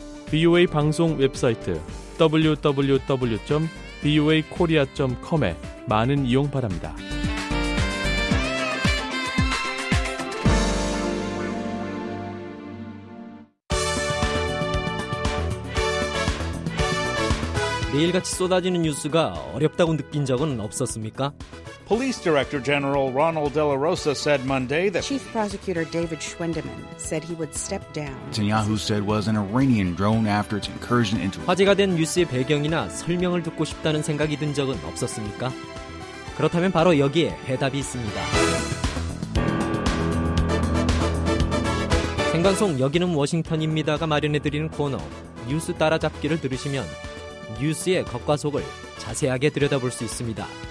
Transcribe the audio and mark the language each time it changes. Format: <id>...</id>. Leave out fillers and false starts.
<ko>VOA 방송 웹사이트 www.voakorea.com에 많은 이용 바랍니다. 매일같이 쏟아지는 뉴스가 어렵다고 느낀 적은 없었습니까?</ko> <en>Police Director General Ronald De La Rosa said Monday that Chief Prosecutor David Schwendeman said he would step down. Netanyahu said was an Iranian drone after its incursion into</en> <ko>화제가 된 뉴스의 배경이나 설명을 듣고 싶다는 생각이 든 적은 없었습니까? 그렇다면 바로 여기에 해답이 있습니다. 생방송 여기는 워싱턴입니다가 마련해드리는 코너 뉴스 따라잡기를 들으시면 뉴스의 겉과 속을 자세하게 들여다볼 수 있습니다.</ko>